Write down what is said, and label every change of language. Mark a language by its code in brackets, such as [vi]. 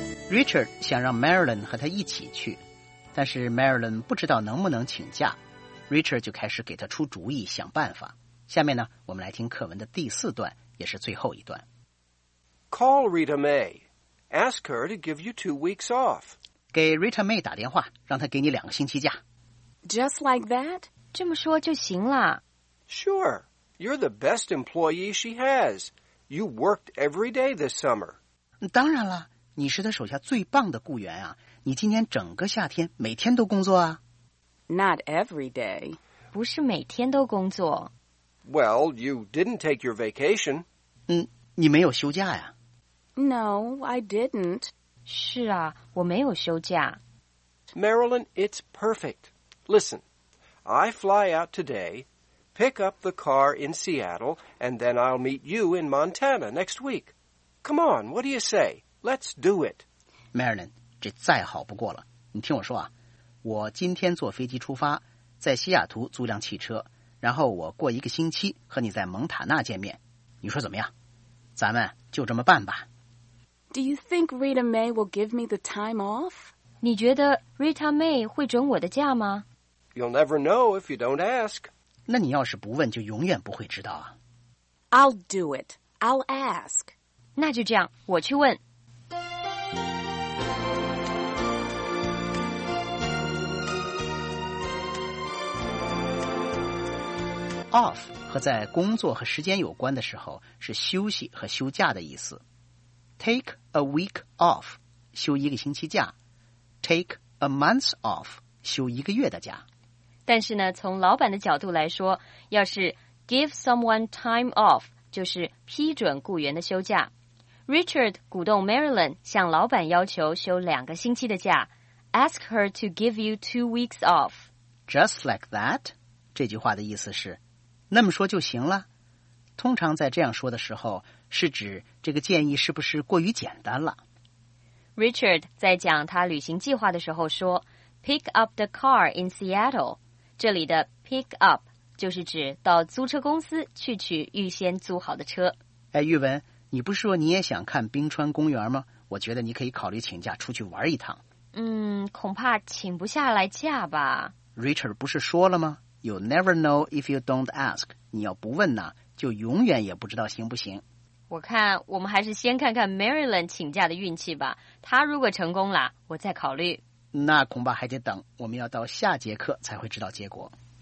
[zh] Richard 想让 Marilyn 和他一起去，但是 Marilyn 不知道能不能请假， Richard 就开始给他出主意想办法。下面呢，我们来听课文的第四段，也是最后一段。 [en] Call Rita May. Ask her to give you 2 weeks off. [zh] 给 Rita May 打电话，让她给你2个星期假。 [en] Just like that? [zh] 这么说就行了。 [en] Sure. You're the best employee she has. You worked every day this summer. [zh] 当然了，你是他手下最棒的雇员啊，你今年整个夏天每天都工作啊。 [en] Not every day. [zh] 不是每天都工作。 [en] Well, you didn't take your vacation. [zh] 你没有休假呀。 [en] No, I didn't. [zh] 是啊，我没有休假。 [en] Marilyn, it's perfect. Listen, I fly out today, pick up the car in Seattle, and then I'll meet you in Montana next week. Come on, what do you say? Let's do it. [zh] Marilyn, 这再好不过了。你听我说啊，我今天坐飞机出发，在西雅图租辆汽车，然后我过1个星期和你在蒙塔纳见面。你说怎么样？咱们就这么办吧。 [en] Do you think Rita May will give me the time off? [zh] 你觉得 Rita May 会准我的假吗？ [en] You'll never know if you don't ask. [zh] 那你要是不问，就永远不会知道啊。 [en] I'll do it. I'll ask. [zh] 那就这样，我去问。 Off 和在工作和时间有关的时候是休息和休假的意思。 [en] Take a week off [zh] 休1个星期假， [en] Take a month off [zh] 休1个月的假。但是呢，从老板的角度来说，要是 [en] give someone time off [zh] 就是批准雇员的休假。 Richard 鼓动 Marilyn 向老板要求休2个星期的假， [en] Ask her to give you 2 weeks off. Just like that [zh] 这句话的意思是那么说就行了。通常在这样说的时候，是指这个建议是不是过于简单了。 Richard 在讲他旅行计划的时候说 [en] Pick up the car in Seattle， [zh] 这里的 pick up 就是指到租车公司去取预先租好的车。哎，玉文，你不是说你也想看冰川公园吗？我觉得你可以考虑请假出去玩一趟。恐怕请不下来假吧。 Richard 不是说了吗？ [en] You never know if you don't ask. [zh] 你要不问呢，就永远也不知道行不行。我看我们还是先看看 Marilyn 请假的运气吧。她如果成功了，我再考虑。那恐怕还得等，我们要到下节课才会知道结果。